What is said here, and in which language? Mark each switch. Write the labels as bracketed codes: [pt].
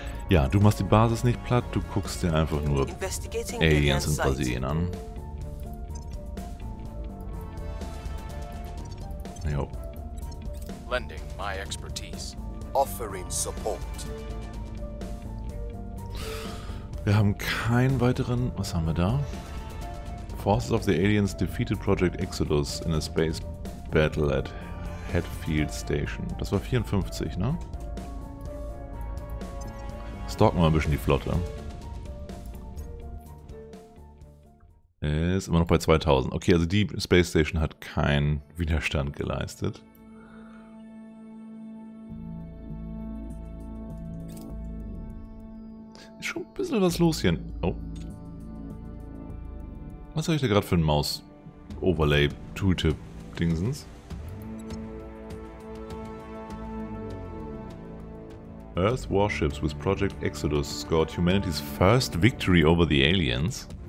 [de] Ja, du machst die Basis nicht platt, du guckst dir einfach nur Aliens in Brasilien an. Jo. [en] Lending my expertise. Offering support. [de] Wir haben keinen weiteren. Was haben wir da? [en] Forces of the Aliens defeated Project Exodus in a space battle at Hatfield Station. [de] Das war 54, ne? Stalken wir ein bisschen die Flotte. Ist immer noch bei 2000. Okay, also die Space Station hat keinen Widerstand geleistet. Ist schon ein bisschen was los hier. Oh. Was habe ich da gerade für ein Maus-Overlay-Tooltip-Dingsens? [en] Earth Warships with Project Exodus scored humanity's first victory over the aliens.